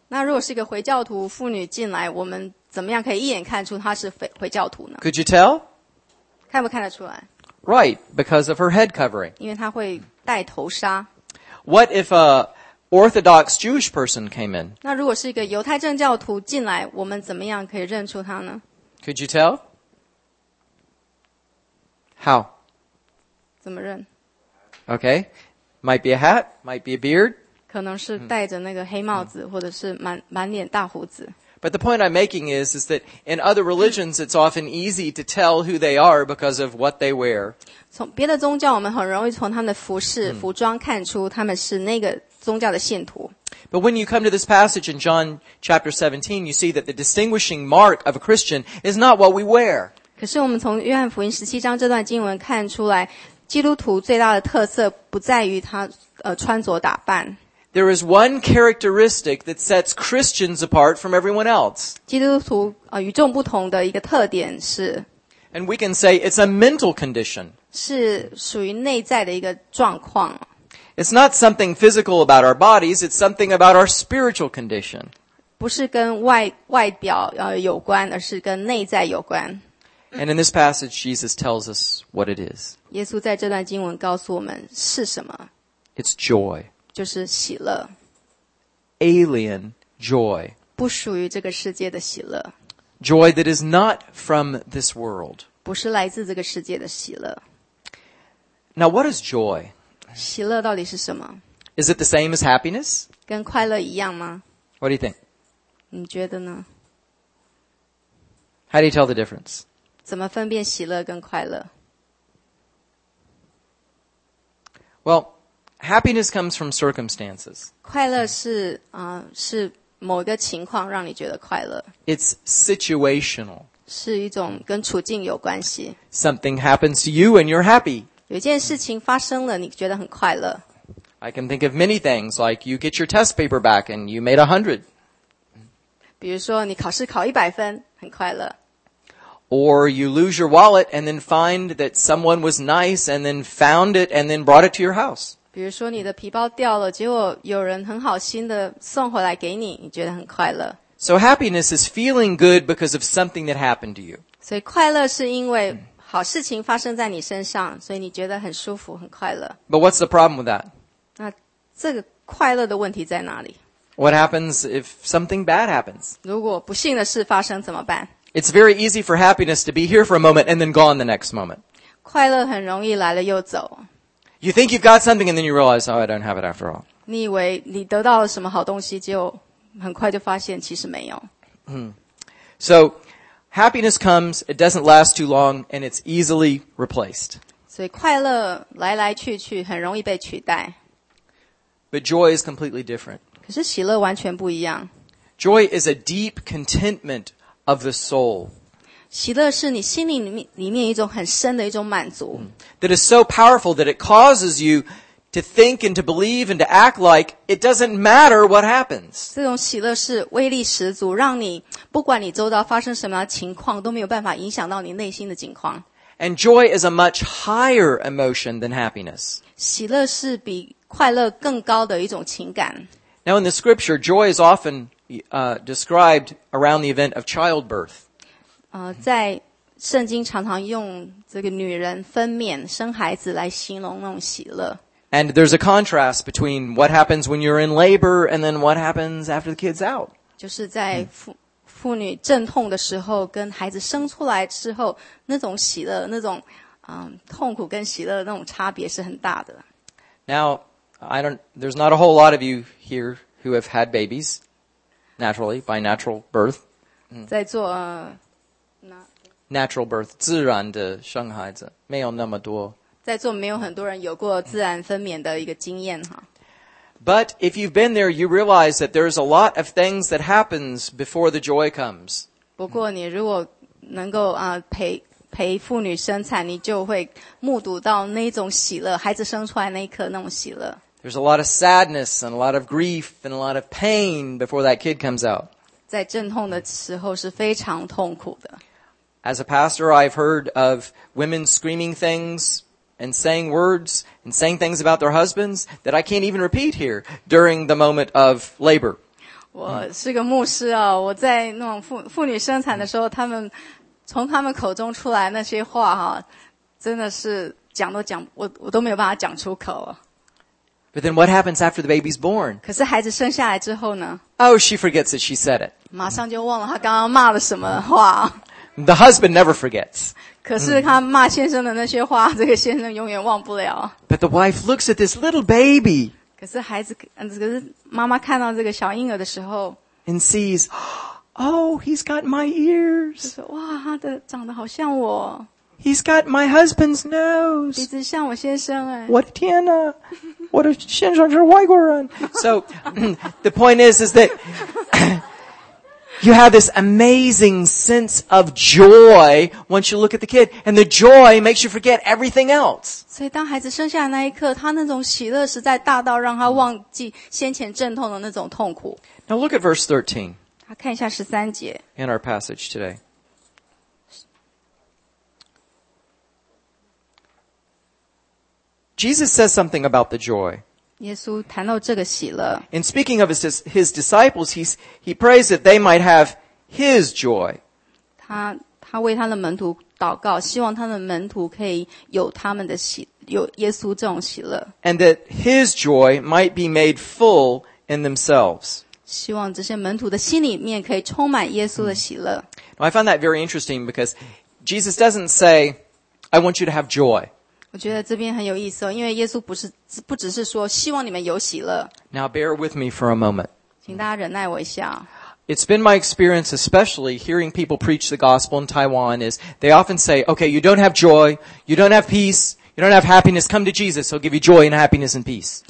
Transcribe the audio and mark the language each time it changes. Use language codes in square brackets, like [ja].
[zh] 那如果是一个回教徒妇女进来，我们怎么样可以一眼看出她是回教徒呢？ [en] Could you tell? [zh] 看不看得出来？ [en] Right, because of her head covering. [zh] 因为她会戴头纱。 [en] What if a Orthodox Jewish person came in? [zh] 那如果是一个犹太正教徒进来，我们怎么样可以认出她呢？ [en] Could you tell? How? [zh] 怎么认？ [en] Okay, might be a hat, might be a beard. [zh] 可能是戴着那个黑帽子，或者是满脸大胡子。 [en] But the point I'm making is that in other religions, it's often easy to tell who they are because of what they wear. [zh] 从别的宗教，我们很容易从他们的服装看出他们是那个宗教的信徒。 [en] But when you come to this passage in John chapter 17, you see that the distinguishing mark of a Christian is not what we wear. [zh] 可是我们从约翰福音十七章这段经文看出来，基督徒最大的特色不在于他穿着打扮。 [en] There is one characteristic that sets Christians apart from everyone else. [zh] 基督徒与众不同的一个特点是 [en] And we can say it's a mental condition. [zh] 是属于内在的一个状况。 [en] It's not something physical about our bodies, it's something about our spiritual condition. [zh] 不是跟外表有关，而是跟内在有关。 [en] And in this passage, Jesus tells us what it is. [zh] 耶稣在这段经文告诉我们是什么。 [en] It's joy. [zh] 就是喜乐 [en] Alien joy [zh] 不属于这个世界的喜乐 [en] Joy that is not from this world [zh] 不是来自这个世界的喜乐 [en] Now what is joy? [zh] 喜乐到底是什么 [en] Is it the same as happiness? [zh] 跟快乐一样吗 [en] What do you think? [zh] 你觉得呢 [en] How do you tell the difference? [zh] 怎么分辨喜乐跟快乐 [en] Well,Happiness comes from circumstances. [zh] 快乐是某一个情况让你觉得快乐。 [en] It's situational. [zh] 是一种跟处境有关系。 [en] Something happens to you and you're happy. [zh] 有件事情发生了，你觉得很快乐。 [en] I can think of many things, like you get your test paper back and you made 100. [zh] 比如说你考试考100分，很快乐。 [en] Or you lose your wallet and then find that someone was nice and then found it and then brought it to your house. [zh] 比如说你的皮包掉了，结果有人很好心的送回来给你，你觉得很快乐。 [en] So happiness is feeling good because of something that happened to you. [zh] 所以快乐是因为好事情发生在你身上，所以你觉得很舒服，很快乐。 [en] But what's the problem with that? [zh] 那这个快乐的问题在哪里？ [en] What happens if something bad happens? [zh] 如果不幸的事发生怎么办？ [en] It's very easy for happiness to be here for a moment and then gone the next moment. [zh] 快乐很容易来了又走。 [en] You think you've got something and then you realize, oh, I don't have it after all. [zh] 你以为你得到了什么好东西，就很快就发现其实没有。 [en] So, happiness comes, it doesn't last too long, and it's easily replaced. [zh] 所以快乐来来去去，很容易被取代。 [en] But joy is completely different. [zh] 可是喜乐完全不一样。 [en] Joy is a deep contentment of the soul. [zh] 喜乐是你心里里面一种很深的一种满足。 [en] That is so powerful that it causes you to think and to believe and to act like it doesn't matter what happens. [zh] 这种喜乐是威力十足，让你不管你周遭发生什么样的情况，都没有办法影响到你内心的境况。 [en] And joy is a much higher emotion than happiness. [zh] 喜乐是比快乐更高的一种情感。 [en] Now in the scripture, joy is often described around the event of childbirth. [zh] 在圣经常常用这个女人分娩生孩子来形容那种喜乐。 [en] And there's a contrast between what happens when you're in labor and then what happens after the kid's out. [zh] 就是在妇女阵痛的时候跟孩子生出来之后那种喜乐那种痛苦跟喜乐的那种差别是很大的。 [en] Now, there's not a whole lot of you here who have had babies naturally, by natural birth. [zh] 在做 [en] natural birth, [zh] 自然的生孩子没有那么多。在座没有很多人有过自然分娩的一个经验哈。 [en] But if you've been there, you realize that there's a lot of things that happens before the joy comes. [zh] 不过你如果能够陪妇女生产，你就会目睹到那种喜乐，孩子生出来那一刻那种喜乐。 [en] There's a lot of sadness and a lot of grief and a lot of pain before that kid comes out. [zh] 在阵痛的时候是非常痛苦的。 [en] As a pastor, I've heard of women screaming things. And saying words and saying things about their husbands that I can't even repeat here during the moment of labor. [zh] 我是个牧师啊，我在那种妇女生产的时候，他们从他们口中出来那些话哈，真的是讲都讲，我都没有办法讲出口。 [en] But then what happens after the baby's born? [zh] 可是孩子生下来之后呢？ [en] Oh, she forgets that she said it. [zh] 马上就忘了她刚刚骂了什么话。 [en] The husband never forgets. [zh] 可是他骂先生的那些话，这个先生永远忘不了。 [en] But the wife looks at this little baby. [zh] 可是孩子，可是妈妈看到这个小婴儿的时候 [en] ，and sees, oh, he's got my ears. [zh] 哇，他的长得好像我。 [en] He's got my husband's nose. [zh] 鼻子像我先生哎。我的天哪！我的先生是外国人。 [en] So, the point is that you have this amazing sense of joy once you look at the kid, and the joy makes you forget everything else. [zh] 所以当孩子生下来那一刻，他那种喜乐实在大到让他忘记先前阵痛的那种痛苦。 [en] Now look at verse 13. [zh] 看一下十三节。 [en] In our passage today. Jesus says something about the joy. [zh] 耶稣谈到这个喜乐。 [en] In speaking of his disciples, he prays that they might have his joy. [zh] 他为他的门徒祷告，希望他的门徒可以有他们的喜，有耶稣这种喜乐。 [en] And that his joy might be made full in themselves. [zh] 希望这些门徒的心里面可以充满耶稣的喜乐。 [en] Now, I found that very interesting because Jesus doesn't say, I want you to have joy. [zh] 我觉得这边很有意思哦，因为耶稣不只是说希望你们有喜乐。 [en] Now bear with me for a moment. [zh] 请大家忍耐我一下。 [en] It's been my experience, especially hearing people preach the gospel in Taiwan, is they often say, "Okay, you don't have joy, you don't have peace, you don't have happiness. Come to Jesus; He'll give you joy and happiness and peace."